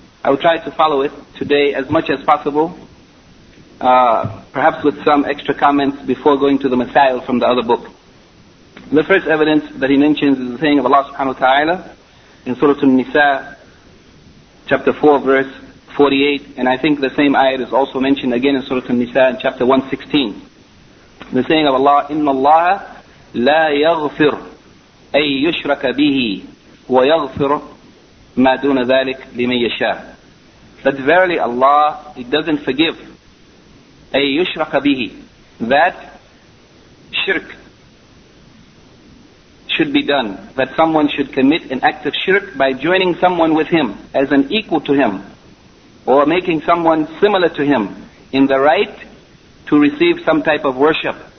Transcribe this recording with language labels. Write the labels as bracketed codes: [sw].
[en] I will try to follow it today as much as possible, perhaps with some extra comments before going to the Masail from the other book. The first evidence that he mentions is the saying of Allah subhanahu wa ta'ala in Surah An-Nisa, chapter 4, verse 48, and I think the same ayat is also mentioned again in Surah An-Nisa, in chapter 116. The saying of Allah, [ar] إِنَّ اللَّهَ لَا يَغْفِرْ أَيْ يُشْرَكَ بِهِ وَيَغْفِرُ مَا دُونَ ذَلِكَ لِمَنْ يَشَاءُ. [en] that verily Allah, He doesn't forgive. [ar] أي يشرك به. [en] That shirk should be done. That someone should commit an act of shirk by joining someone with him as an equal to him, or making someone similar to him in the right to receive some type of worship.